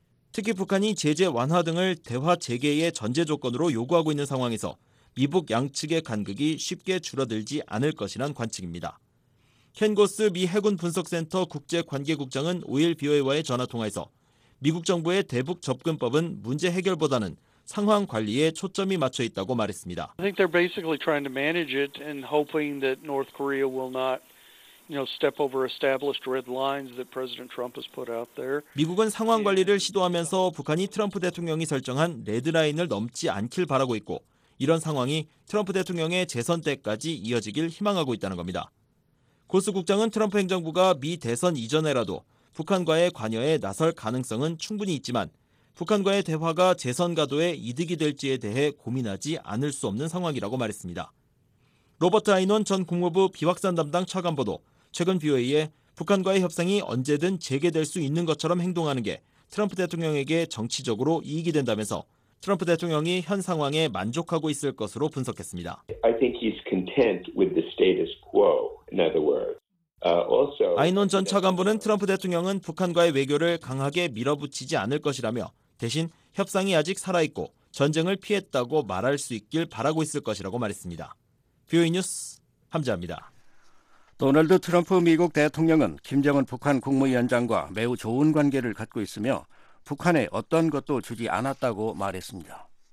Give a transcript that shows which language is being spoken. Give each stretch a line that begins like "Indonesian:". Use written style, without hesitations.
Korean: 특히 북한이 제재 완화 등을 대화 재개의 전제 조건으로 요구하고 있는 상황에서 미북 양측의 간극이 쉽게 줄어들지 않을 것이란 관측입니다. 켄고스 미 해군 분석센터 국제관계국장은 5일 BOA와의 전화통화에서 미국 정부의 대북 접근법은 문제 해결보다는 상황 관리에 초점이 맞춰 있다고 말했습니다.
English: I think they're basically trying to manage it and hoping that North Korea will not, you know, step over established red lines that President Trump has put out there.
Korean: 미국은 상황 관리를 시도하면서 북한이 트럼프 대통령이 설정한 레드라인을 넘지 않길 바라고 있고 이런 상황이 트럼프 대통령의 재선 때까지 이어지길 희망하고 있다는 겁니다. 고스 국장은 트럼프 행정부가 미 대선 이전에라도 북한과의 관여에 나설 가능성은 충분히 있지만 북한과의 대화가 재선 가도에 이득이 될지에 대해 고민하지 않을 수 없는 상황이라고 말했습니다. 로버트 아이논 전 국무부 비확산 담당 차관보도 최근 BOA에 북한과의 협상이 언제든 재개될 수 있는 것처럼 행동하는 게 트럼프 대통령에게 정치적으로 이익이 된다면서 트럼프 대통령이 현 상황에 만족하고 있을 것으로 분석했습니다.
English: I think he's content with the status quo. In other words.
Korean: 아이논 전 차관보는 트럼프 대통령은 북한과의 외교를 강하게 밀어붙이지 않을 것이라며 대신 협상이 아직 살아있고 전쟁을 피했다고 말할 수 있길 바라고 있을 것이라고 말했습니다. 뷰이 뉴스 함재합니다. 도널드 트럼프 미국 대통령은 김정은 북한 국무위원장과 매우 좋은 관계를 갖고 있으며 북한에 어떤 것도 주지 않았다고 말했습니다.